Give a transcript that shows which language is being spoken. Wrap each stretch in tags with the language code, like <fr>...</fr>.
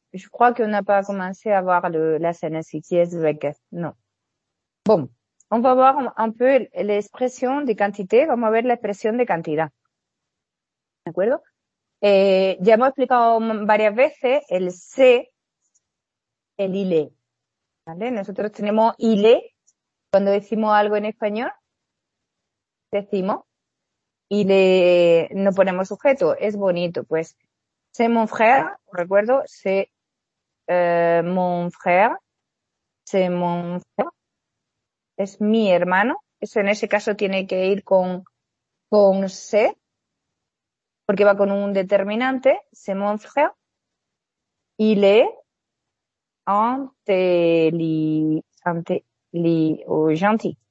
<fr>Je crois qu'on n'a pas commencé à voir la scène si qui est avec. Non. Bon. On va voir un peu l'expression de quantité.</fr> <es>Vamos a ver la expresión de cantidad. ¿De acuerdo? Ya hemos explicado varias veces el se, el ile. ¿Vale? Nosotros tenemos ile. Cuando decimos algo en español, decimos y le no ponemos sujeto. Es bonito.</es> <fr>Pues, c'est mon frère, recuerdo, c'est mon frère, c'est mon frère.</fr> <es>Es mi hermano. Eso en ese caso tiene que ir con c'est, porque va con un determinante,</es> <fr>c'est mon frère. Il est gentil.</fr>